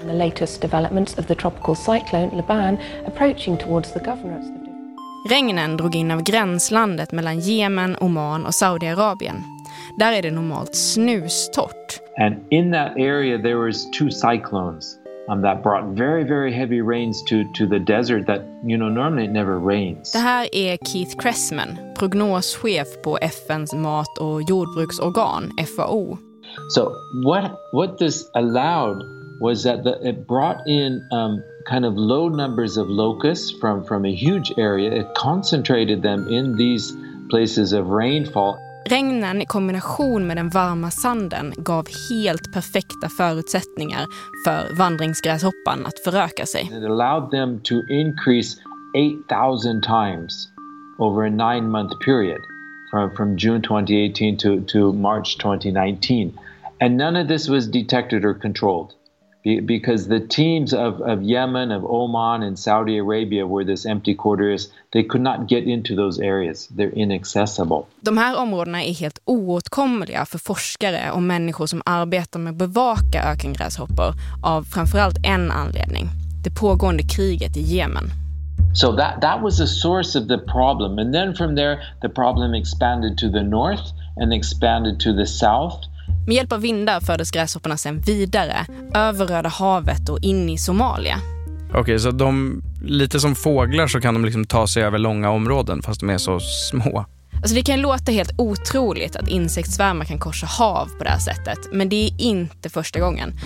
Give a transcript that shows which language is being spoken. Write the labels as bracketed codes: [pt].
[en] The latest developments of the tropical cyclone Luban approaching towards the governors. [sv] Regnen drog in av gränslandet mellan Yemen, Oman och Saudiarabien. Där är det normalt snustort. [en] And in that area there was two cyclones that brought very very heavy rains to the desert that, you know, normally it never rains. [sv] Det här är Keith Cressman, prognoschef på FN:s mat- och jordbruksorgan FAO. [en] So what this allowed was that it brought in kind of low numbers of locusts from a huge area. It concentrated them in these places of rainfall. [sv] Regnen i kombination med den varma sanden gav helt perfekta förutsättningar för vandringsgräshoppan att föröka sig. [en] It allowed them to increase 8,000 times over a 9-month period from June 2018 to March 2019. And none of this was detected or controlled because the teams of Yemen, of Oman and Saudi Arabia were this empty quarters. They could not get into those areas. They're inaccessible. [sv] De här områdena är helt oåtkomliga för forskare och människor som arbetar med att bevaka ökengräshoppor av framförallt en anledning. Det pågående kriget i Yemen. [en] So that was the source of the problem. And then from there the problem expanded to the north and expanded to the south. [sv] Med hjälp av vindar fördes gräshopparna sen vidare över Röda havet och in i Somalia. Okej, så de lite som fåglar så kan de liksom ta sig över långa områden fast de är så små. Alltså det kan låta helt otroligt att insektsvärmar kan korsa hav på det här sättet, men det är inte första gången.